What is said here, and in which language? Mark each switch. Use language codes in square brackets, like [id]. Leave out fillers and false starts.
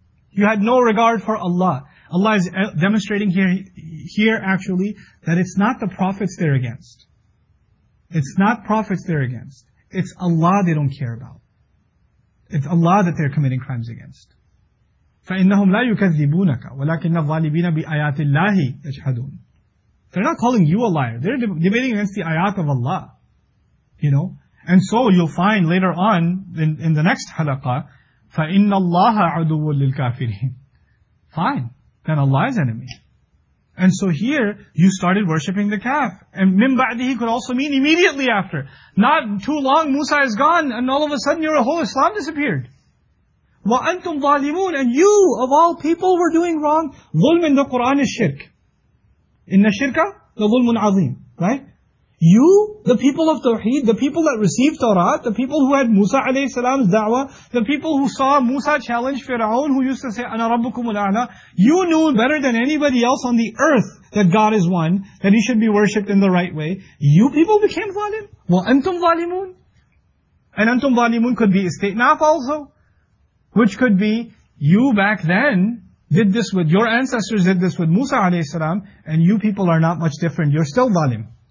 [en] You had no regard for Allah. Allah is demonstrating here actually that it's not the prophets they're against. It's not prophets they're against. It's Allah they don't care about. It's Allah that they're committing crimes against. [ar] فَإِنَّهُمْ لَا يُكَذِّبُونَكَ وَلَكِنَّ الظَّالِبِينَ بِآيَاتِ اللَّهِ يَجْحَدُونَ [en] They're not calling you a liar. They're debating against the ayat of Allah. You know? And so you'll find later on in the next halaqa, [ar] فَإِنَّ اللَّهَ عَدُوٌّ لِلْكَافِرِينَ [en] Fine. Then Allah's enemy. And so here, you started worshipping the calf. And [ar] مِنْ بَعْدِهِ [en] could also mean immediately after. Not too long, Musa is gone, and all of a sudden your whole Islam disappeared. [ar] وَأَنْتُمْ ظَالِمُونَ [en] And you, of all people, were doing wrong. ظُلْمٍ The Qur'an is shirk. [ar] إِنَّ الشِّرْكَ لَظُلْمٌ عَظِيمٌ [en] Right? You, the people of Tawheed, the people that received Torah, the people who had Musa alayhi salam's da'wah, the people who saw Musa challenge Fir'aun, who used to say, [ar] Ana Rabbukum al-A'la, [en] you knew better than anybody else on the earth that God is one, that He should be worshipped in the right way. You people became zalim. [ar] Wa antum zalimun. [en] And antum zalimun could be istitnaf also, which could be, you back then did this with, your ancestors did this with Musa alayhi salam, and you people are not much different, you're still zalim.